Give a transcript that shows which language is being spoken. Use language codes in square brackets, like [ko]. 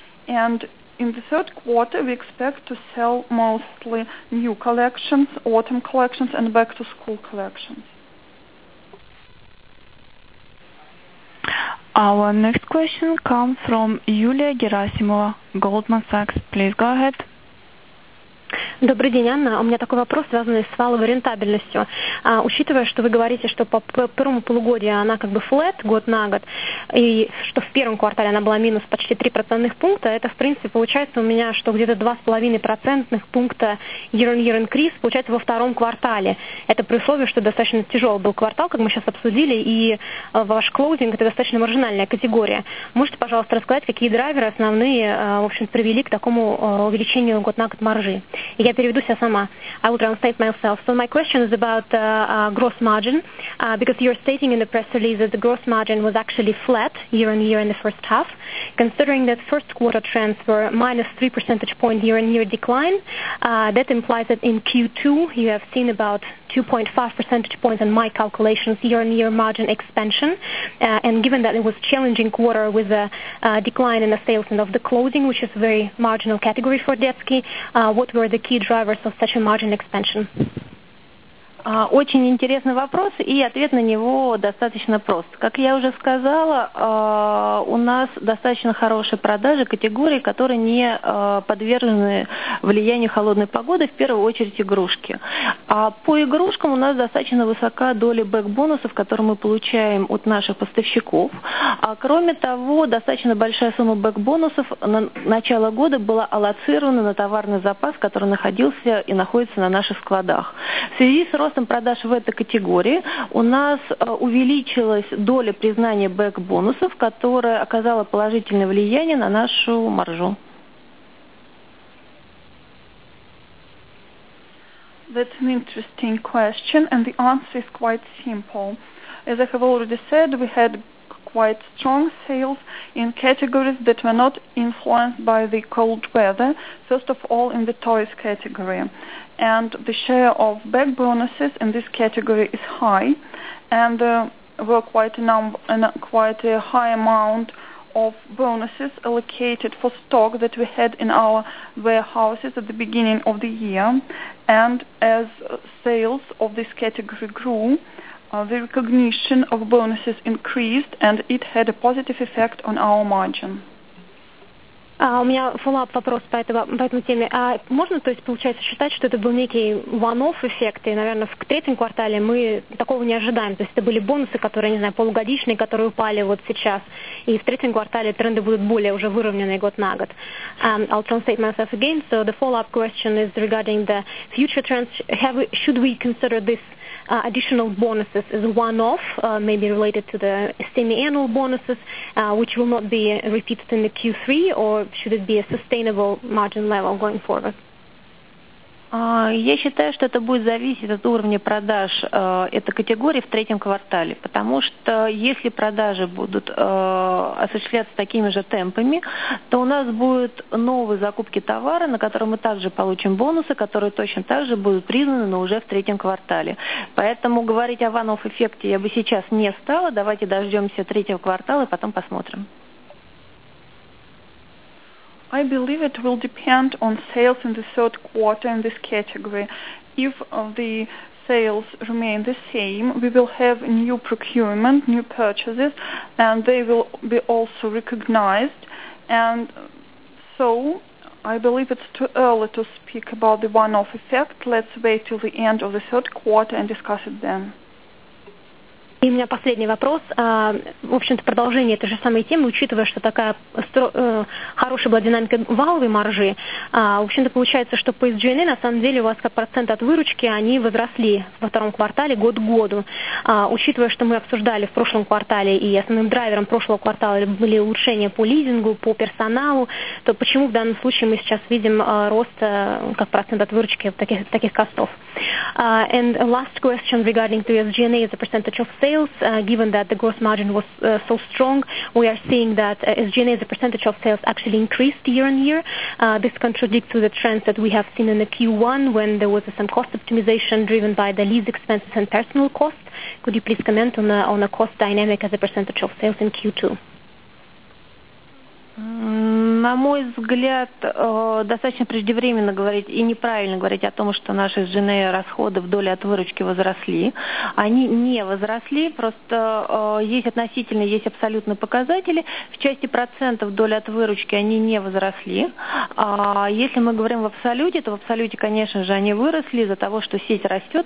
[en] And in the third quarter, we expect to sell mostly new collections, autumn collections, and back-to-school collections. Our next question comes from Yulia Gerasimova, Goldman Sachs. Please go ahead. [ru] Добрый день, Анна. У меня такой вопрос, связанный с валовой рентабельностью. Учитывая, что вы говорите, что по первому полугодию она как бы флэт год на год, и что в первом квартале она была минус почти 3 процентных пункта, это, в принципе, получается у меня, что где-то 2,5 процентных пункта [en] year-on-year increase [ru] получается во втором квартале. Это при условии, что достаточно тяжелый был квартал, как мы сейчас обсудили, и ваш клоузинг – это достаточно маржинальная категория. Можете, пожалуйста, рассказать, какие драйверы основные, в общем, привели к такому увеличению год на год маржи? Я переведу себя сама. [en] I will translate myself. So my question is about gross margin, because you're stating in the press release that the gross margin was actually flat year on year in the first half. Considering that first quarter trends were minus 3 percentage point year on year decline, that implies that in Q2 you have seen about 2.5 percentage points in my calculations year on year margin expansion. And given that it was a challenging quarter with a decline in the sales and of the clothing, which is a very marginal category for Detsky, what were the key drivers of such a margin expansion? [ru] Очень интересный вопрос, и ответ на него достаточно прост. Как я уже сказала, у нас достаточно хорошие продажи категории, которые не подвержены влиянию холодной погоды, в первую очередь игрушки. А по игрушкам у нас достаточно высока доля бэк-бонусов, которые мы получаем от наших поставщиков. А кроме того, достаточно большая сумма бэк-бонусов на начало года была аллоцирована на товарный запас, который находился и находится на наших складах. В связи с ростом продаж в этой категории у нас увеличилась доля признания бэк-бонусов, которая оказала положительное влияние на нашу маржу. [en] That's an interesting question, and the answer is quite simple. As I have already said, we had quite strong sales in categories that were not influenced by the cold weather, first of all in the toys category. And the share of bag bonuses in this category is high, and there were quite a high amount of bonuses allocated for stock that we had in our warehouses at the beginning of the year. And as sales of this category grew, the recognition of bonuses increased, and it had a positive effect on our margin. [ru] У меня follow-up вопрос по этому теме. А можно, то есть, получается, считать, что это был некий one-off эффект, и, наверное, в третьем квартале мы такого не ожидаем? То есть это были бонусы, которые, не знаю, полугодичные, которые упали вот сейчас, и в третьем квартале тренды будут более уже выровненные год на год. [en] I'll translate myself again. So the follow-up question is regarding the future trends. Should we consider this additional bonuses as one-off, maybe related to the semi-annual bonuses, which will not be repeated in the Q3, or should it be a sustainable margin level going forward? [ru] Я считаю, что это будет зависеть от уровня продаж этой категории в третьем квартале, потому что если продажи будут осуществляться такими же темпами, то у нас будут новые закупки товара, на которые мы также получим бонусы, которые точно так же будут признаны, но уже в третьем квартале. Поэтому говорить о one-off эффекте я бы сейчас не стала. Давайте дождемся третьего квартала и потом посмотрим. [en] I believe it will depend on sales in the third quarter in this category. If the sales remain the same, we will have new procurement, new purchases, and they will be also recognized. And so I believe it's too early to speak about the one-off effect. Let's wait till the end of the third quarter and discuss it then. [ru] И у меня последний вопрос. В общем-то, продолжение этой же самой темы, учитывая, что такая хорошая была динамика валовой маржи, в общем-то, получается, что по SG&A, на самом деле, у вас как процент от выручки, они возросли во втором квартале год к году. Учитывая, что мы обсуждали в прошлом квартале, и основным драйвером прошлого квартала были улучшения по лизингу, по персоналу, то почему в данном случае мы сейчас видим рост как процент от выручки таких костов? [en] And last question regarding the SG&A as a percentage of sales, given that the gross margin was so strong, we are seeing that SG&A as a percentage of sales actually increased year on year. This contradicts to the trends that we have seen in the Q1 when there was some cost optimization driven by the lease expenses and personal costs. Could you please comment on the cost dynamic as a percentage of sales in Q2? [ru] На мой взгляд, достаточно преждевременно говорить и неправильно говорить о том, что наши SG&A расходы в доли от выручки возросли. Они не возросли, просто есть относительные, есть абсолютные показатели. В части процентов доли от выручки они не возросли. А если мы говорим в абсолюте, то в абсолюте, конечно же, они выросли из-за того, что сеть растет.